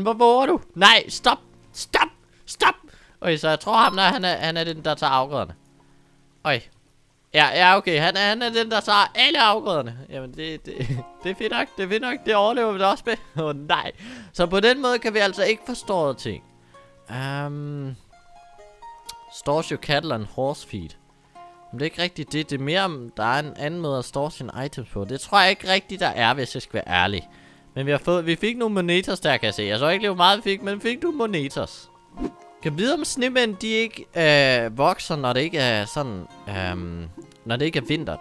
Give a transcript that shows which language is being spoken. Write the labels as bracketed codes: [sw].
[da] Hvor våger du? Nej, stop. Stop. Stop. Okay, så jeg tror ham der, han er den, der tager afgrøderne. Okay. Ja, okay. Han er den, der tager alle afgrøderne. Jamen, det er fedt nok. Det er fedt nok. Det overlever vi da også med. Åh, nej. Så på den måde kan vi altså ikke forstå ting. [en] Stores your cattle and horse feed. [da] Men det er ikke rigtigt det. Det er mere om der er en anden måde at store sine items på. Det tror jeg ikke rigtigt der er, hvis jeg skal være ærlig. Men vi fik nogle monetas der, kan jeg se. Jeg så ikke lige hvor meget vi fik, men fik du monetas. Kan vide om snemænd de ikke vokser, når det ikke er sådan når det ikke er vinter.